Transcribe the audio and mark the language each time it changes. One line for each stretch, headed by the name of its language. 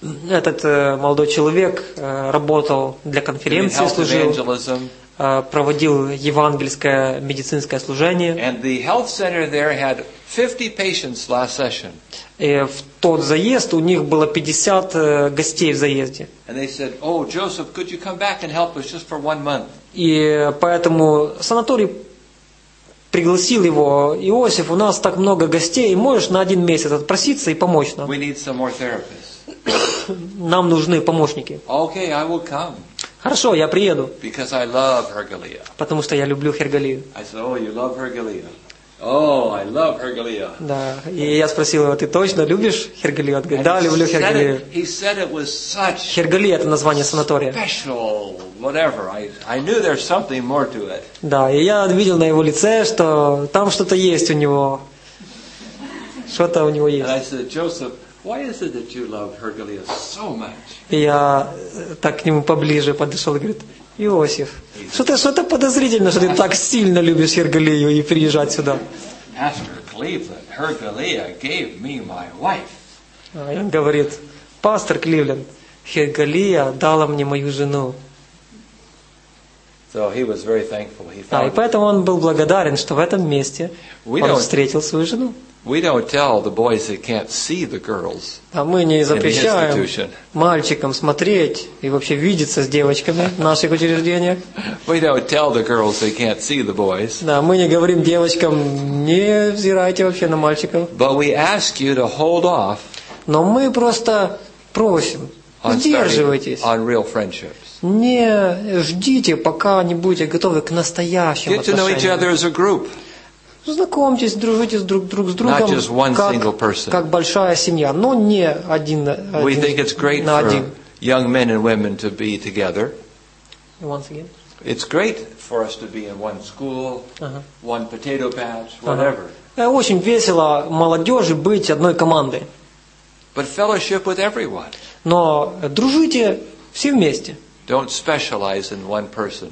Russian: Этот молодой человек работал для конференции, служил, проводил евангельское медицинское служение.
English: And the health center there had 50 patients last session.
Russian: И в тот заезд у них было 50 гостей в заезде.
English: And they said, "Oh, Joseph, could you come back and help us just for 1 month?"
Russian: И поэтому санаторий пригласил его: «Иосиф, у нас так много гостей, можешь на 1 месяц отпроситься и помочь нам?
English: We need some more therapists.
Russian: Нам нужны помощники».
English: Okay, I will come.
Russian: Хорошо, я приеду.
English: Because I love Hergalia.
Russian: Потому что я люблю Хергалию.
English: I said, "Oh, you love Hergalia. Oh, I love Hergalia."
Russian: Да. И я спросил его: «Ты точно любишь Хергалию?» Он говорит: «Да, люблю Хергалию».
English: He said it was such.
Russian: Хергалия — это название санатория.
English: Special, whatever. I knew there's something more to it.
Russian: Да, и я видел на его лице, что там что-то есть у него. Что-то у него есть.
English: And I said, "Joseph, why is it that you love Hergalia so much?"
Russian: И я так к нему поближе подошел и говорит: «Иосиф, что-то подозрительно, что ты так сильно любишь Хергалию и приезжать сюда».
English: Pastor Cleveland, Hergalia gave me my wife.
Russian: И он говорит: «Пастор Кливленд, Хергалия дала мне мою жену».
English: So he was very thankful.
Russian: И поэтому он был благодарен, что в этом месте он встретил свою жену.
English: We don't tell the boys they can't see the girls.
Russian: А мы не запрещаем мальчикам смотреть и вообще видеться с девочками в наших учреждениях.
English: We don't tell the girls they can't see the boys.
Russian: Да, мы не говорим девочкам: не взирайте вообще на мальчиков.
English: But we ask you to hold off.
Russian: Но мы просто просим: сдерживайтесь.
English: On real friendships.
Russian: Не ждите, пока не будете готовы к настоящим отношениям.
English: Get to know each other as a group.
Russian: Знакомьтесь, дружите друг с другом, как большая семья, но не один на один.
English: We think it's great for young men and women to be together. Once again. It's great for us to be in one school, one potato patch, whatever.
Russian: Очень весело молодежи быть одной командой.
English: But fellowship with everyone.
Russian: Но дружите все вместе.
English: Don't specialize in one person.